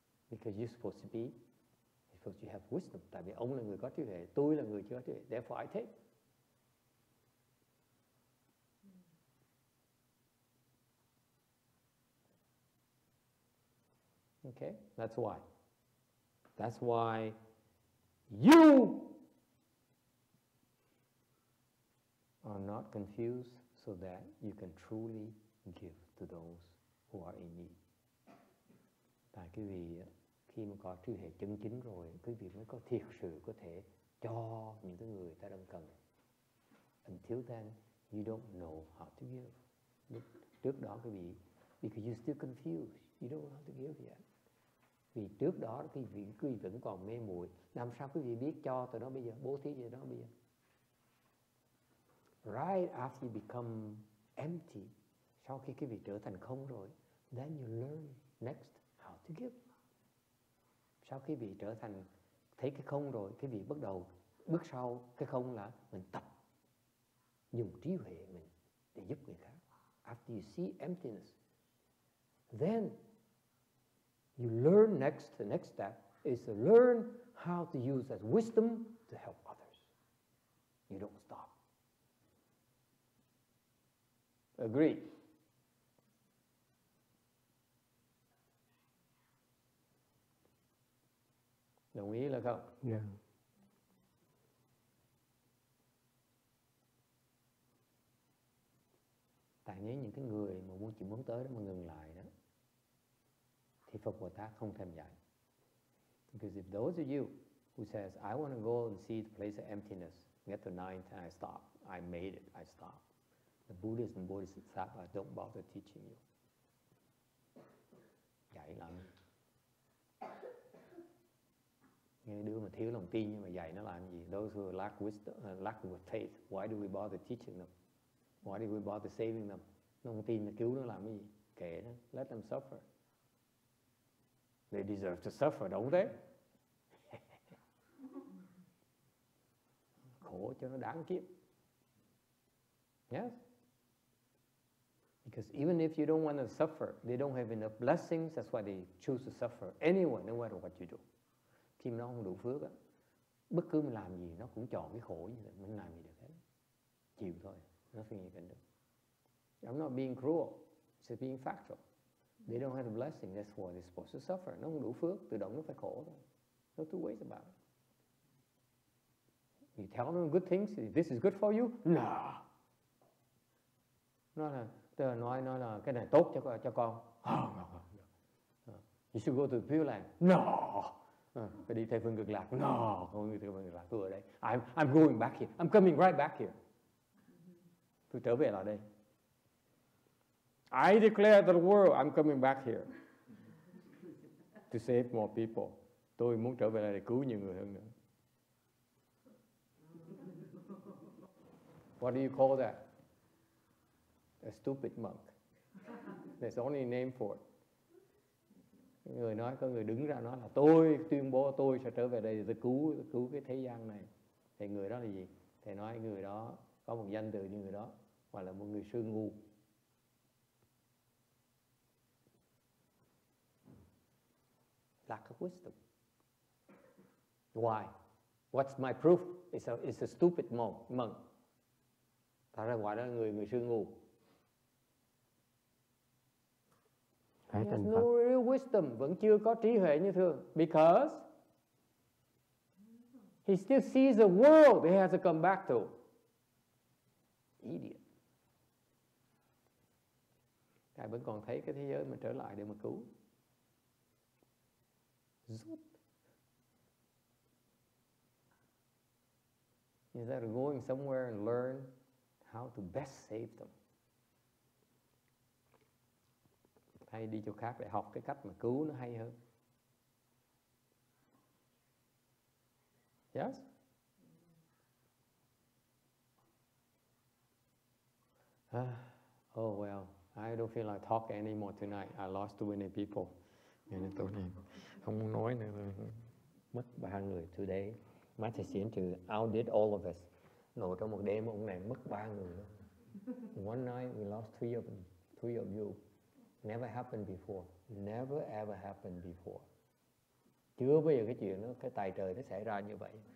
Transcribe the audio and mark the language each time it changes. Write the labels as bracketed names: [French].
[English] Because you're supposed to be, you're supposed to have wisdom. [Vietnamese] Tại vì ông là người có trí huệ, tôi là người chưa có trí huệ. [English] Therefore, I take. Okay, that's why. That's why you are not confused so that you can truly give to those who are in need. [Vietnamese] Tại quý vị khi mà có trí huệ chân chính rồi, quý vị mới có thiệt sự có thể cho những cái người ta đang cần. [English] Until then, you don't know how to give. [Vietnamese] Trước đó quý vị, [English] because you're still confused, you don't know how to give yet. [Vietnamese] Vì trước đó quý vị vẫn còn mê muội, làm sao quý vị biết cho tụi nó bây giờ, bố thí cho nó bây giờ. [English] Right after you become empty, [Vietnamese] sau khi quý vị trở thành không rồi, [English] then you learn next how to give. [Vietnamese] Sau khi bị trở thành thấy cái không rồi, quý vị bắt đầu bước sau cái không là mình tập dùng trí huệ mình để giúp người khác. [English] After you see emptiness, then you learn next, the next step is to learn how to use that wisdom to help others. You don't stop. Agree? [Vietnamese] Đồng ý là không? [English] Yeah. [Vietnamese] Tại nếu những cái người mà muốn chỉ muốn tới đó mà ngừng lại đó, thì Phật Bồ Tát không thèm dạy. [English] Because if those of you who says, I want to go and see the place of emptiness, get to ninth and I stop, I made it, I stop. The Buddhists and Bodhisattvas don't bother teaching you. [Vietnamese] Dạy lắm. Nghe đứa mà thiếu lòng tin nhưng mà dạy nó làm gì? [English] Those who lack wisdom, lack with faith, why do we bother teaching them? Why do we bother saving them? [Vietnamese] Nó không tin, nó cứu nó làm gì? Kệ nó, [English] let them suffer. They deserve to suffer, don't they? [Vietnamese] Khổ cho nó đáng kiếp. [English] Yes? Because even if you don't want to suffer, they don't have enough blessings, that's why they choose to suffer anyway, no matter what you do. [Vietnamese] Khi nó không đủ phước á, bất cứ mình làm gì nó cũng chọn cái khổ như vậy, mình làm gì được hết. Chịu thôi, [English] nothing you can do. I'm not being cruel, it's just being factual. They don't have the blessing, that's why they're supposed to suffer. [Vietnamese] Nó không đủ phước, tự động nó phải khổ thôi. [English] No two ways about it. You tell them good things, this is good for you? No! [Vietnamese] Nói là cái này tốt cho con. [English] You should go to the Pure Land. No! [Vietnamese] Phải đi theo phương cực lạc. [English] No! [Vietnamese] Không đi theo phương cực lạc. Tôi ở đây. [English] I'm going back here. I'm coming right back here. [Vietnamese] Tôi trở về lại đây. [English] I declare to the world, I'm coming back here to save more people. [Vietnamese] Tôi muốn trở về lại để cứu nhiều người hơn nữa. [English] What do you call that? a stupid monk. That's the only name for it. [Vietnamese] Người nói, có người đứng ra nói là tôi tuyên bố tôi sẽ trở về đây để cứu cái thế gian này. Thì người đó là gì? Thầy nói người đó có một danh từ như người đó, hoặc là một người sư ngu. [English] Lack of wisdom. Why? What's my proof? It's a stupid monk. [Vietnamese] Thật ra gọi đó là người sư ngu. Hãy [English] he has no real wisdom, [Vietnamese] vẫn chưa có trí huệ như thường. [English] Because he still sees the world he has to come back to. Idiot. [Vietnamese] Ngài vẫn còn thấy cái thế giới mà trở lại để mà cứu. Zoop. [English] Instead of going somewhere and learn how to best save them. [Vietnamese] Hay đi chỗ khác để học cái cách mà cứu nó hay hơn. [English] Yes? Oh well, I don't feel like talking anymore tonight. I lost too many people. [Vietnamese] Nên tôi nhìn không muốn nói nữa. Mất ba người [English] today. Master Xuyến Trừ outdid all of us. [Vietnamese] Nổ trong một đêm ông này mất ba người. [English] One night we lost three of you. Never happened before. Never ever happened before. [Vietnamese] Chưa bao giờ cái chuyện đó, cái tài trời nó xảy ra như vậy.